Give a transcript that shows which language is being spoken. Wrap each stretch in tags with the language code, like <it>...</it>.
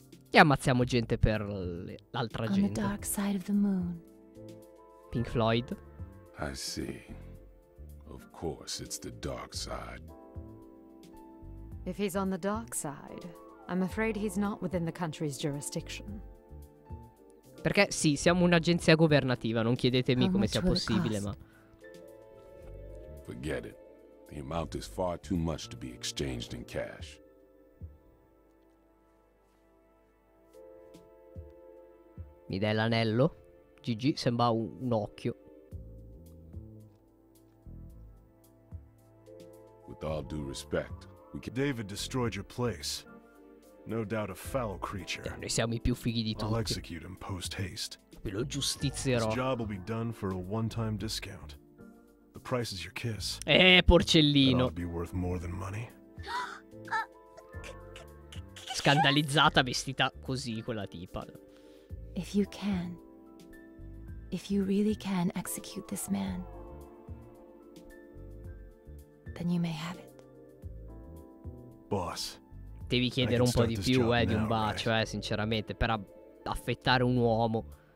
<it>E ammazziamo gente per l'altra on gente.</it> <en>The dark side of the moon. Pink Floyd. I see. Of course it's the dark side. If he's on the dark side, I'm afraid he's not within the country's jurisdiction.</en> <it>Perché sì, siamo un'agenzia governativa, non chiedetemi come sia possibile, ma</it> <en>forget it. The amount is far too much to be exchanged in cash.</en> <it>Mi dai l'anello? GG, sembra un occhio.</it> <en>With all due respect, we can... David destroyed your place. No doubt a foul creature.</en> <it>Noi siamo i più fighi di tutti.</it> <en>I'll execute him post haste.</en> <it>Ve lo giustizierò.</it> <en>This job will be done for a one-time discount. The price is your kiss.</en> <it>Porcellino.</it> <en>It'll be worth more than money.</en> <it>Scandalizzata vestita così quella tipa.</it> <en>If you can, if you really can execute this man, then you may have it. Boss.</en> <it>Devi chiedere un po' di più, di un bacio, sinceramente, per affettare un uomo.</it>